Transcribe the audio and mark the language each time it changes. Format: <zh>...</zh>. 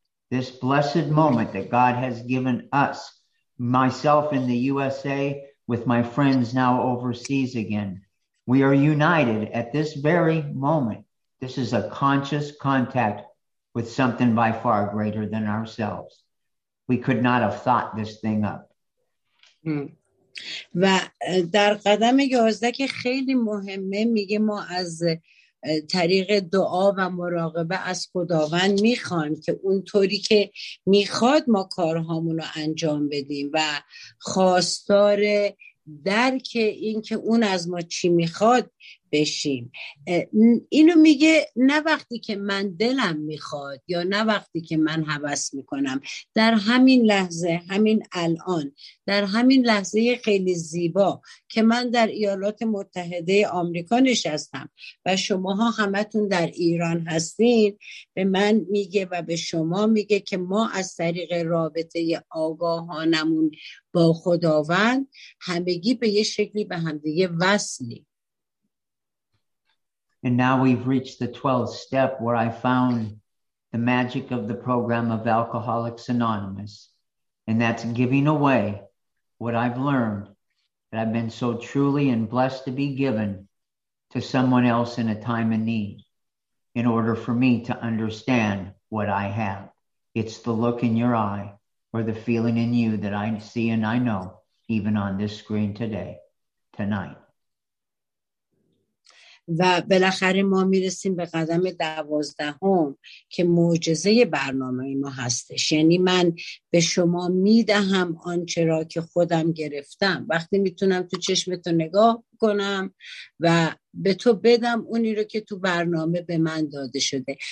<en>This blessed moment that God has given us, myself in the USA, with my friends now overseas again. We are united at this very moment. This is a conscious contact with something by far greater than ourselves. We could not have thought this thing up.</en> <fa>و در قدم 11 که خیلی مهمه میگه ما از طریق دعا و مراقبه از خداوند میخوایم که اونطوری که میخواد ما کارهامونو انجام بدیم، و خواستار درک این که اون از ما چی میخواد بشیم. اینو میگه نه وقتی که من دلم میخواد یا نه وقتی که من هوس میکنم، در همین لحظه، همین الان، در همین لحظه خیلی زیبا که من در ایالات متحده آمریکا نشستم و شماها همتون در ایران هستین، به من میگه و به شما میگه که ما از طریق رابطه آگاهانمون با خداوند همگی به یه شکلی به همدیگه وصلیم.</fa> <en>And now we've reached the 12th step where I found the magic of the program of Alcoholics Anonymous. And that's giving away what I've learned that I've been so truly and blessed to be given to someone else in a time of need in order for me to understand what I have. It's the look in your eye or the feeling in you that I see and I know even on this screen today, tonight.</en> <fa>و بالاخره ما میرسیم به قدم 12 که معجزه برنامه ما هستش. یعنی من به شما میدهم آنچه را که خودم گرفتم، وقتی میتونم تو چشمتو نگاه کنم و به تو بدم اونی رو که تو برنامه به من داده شده.</fa>